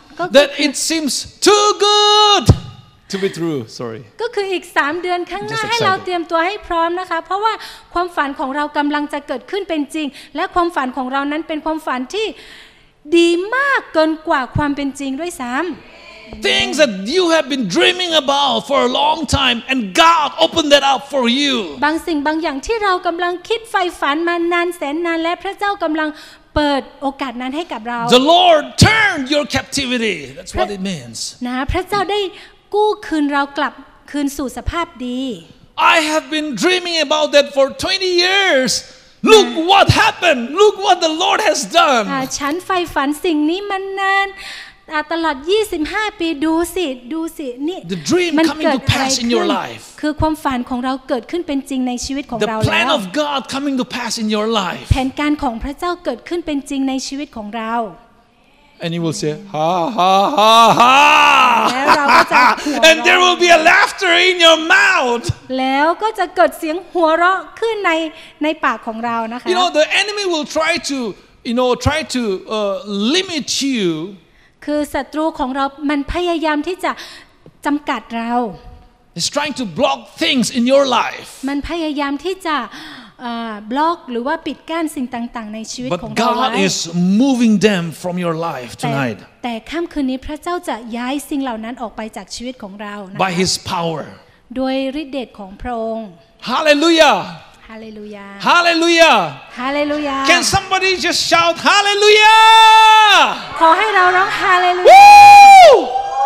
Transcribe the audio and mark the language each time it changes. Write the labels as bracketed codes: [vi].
[en] ก็ That it seems too goodTo be true, sorry. [th] ก็คืออีก3เดือนข้างหน้าให้เราเตรียมตัวให้พร้อมนะคะเพราะว่าความฝันของเรากำลังจะเกิดขึ้นเป็นจริงและความฝันของเรานั้นเป็นความฝันที่ดีมากเกินกว่าความเป็นจริงด้วยซ้ำ [en] Things that you have been dreaming about for a long time and God opened that up for you. [th] บางสิ่งบางอย่างที่เรากำลังคิดใฝ่ฝันมานานแสนนานและพระเจ้ากำลังเปิดโอกาสนั้นให้กับเรา [en] The Lord turned your captivity. That's what it means. [th] นะพระเจ้าได้กู้คืนเรากลับคืนสู่สภาพดี [en] I have been dreaming about that for 20 years look what happened look what the Lord has done [th] ฉันใฝ่ฝันสิ่งนี้มานานตลอด25ปีดูสินี่มันเกิดอะไรขึ้น คือความฝันของเราเกิดขึ้นเป็นจริงในชีวิตของเราแล้ว [en] The plan of God coming to pass in your life [th] แผนการของพระเจ้าเกิดขึ้นเป็นจริงในชีวิตของเรา [en] And you will say ha ha ha haAnd there will be a laughter in your mouth. [th] แล้วก็จะเกิดเสียงหัวเราะขึ้นในปากของเรานะคะ [en] You know the enemy will try to limit you. [th] คือศัตรูของเรามันพยายามที่จะจำกัดเรา [en] He's trying to block things in your life. [th] มันพยายามที่จะบล็อกหรือว่าปิดกั้นสิ่งต่างๆในชีวิตของเรา [en] But God is moving them from your life tonight. [th] แต่ค่ำคืนนี้พระเจ้าจะย้ายสิ่งเหล่านั้นออกไปจากชีวิตของเรา [en] By His power. [th] โดยฤทธิ์เดชของพระองค์ [en] Hallelujah. Hallelujah. Hallelujah. Hallelujah. Can somebody just shout Hallelujah? [th] ขอให้เราร้อง Hallelujah.